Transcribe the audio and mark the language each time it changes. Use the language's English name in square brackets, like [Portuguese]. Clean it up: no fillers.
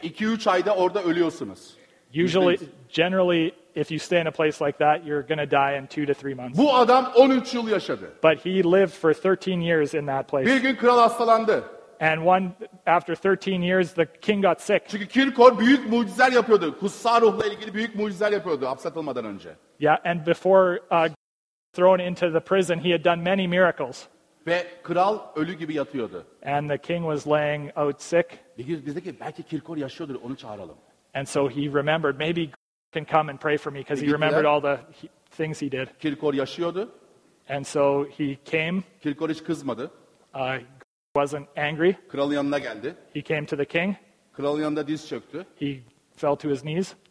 [Turkish] 2-3 ayda orada ölüyorsunuz. [English] Usually generally if you stay in a place like that you're going to die in 2 to 3 months. [Turkish] Bu adam 13 yıl yaşadı. [English] But he lived for 13 years in that place. [Turkish] Bir gün kral hastalandı. [English] And one after 13 years the king got sick. [Turkish] Çünkü Kirkor büyük mucizeler yapıyordu. Kutsal ruhla ilgili büyük mucizeler yapıyordu hapsatılmadan önce. [English] Yeah, and before thrown into the prison he had done many miracles. [Turkish] Ve kral ölü gibi yatıyordu. [English] And the king was laying out sick. [Turkish] Biz de ki belki Kirkor yaşıyordur onu çağıralım. [English] And so he remembered maybe God can come and pray for me because he remembered all the things he did. [Turkish] Kirkor yaşıyordu. [English] And so he came. [Turkish] Kirkor hiç kızmadı. [English] Wasn't angry. [Turkish] Kralın yanına geldi. [English] He came to the king. [Turkish] Kralın yanında diz çöktü. [English] He fell to his knees.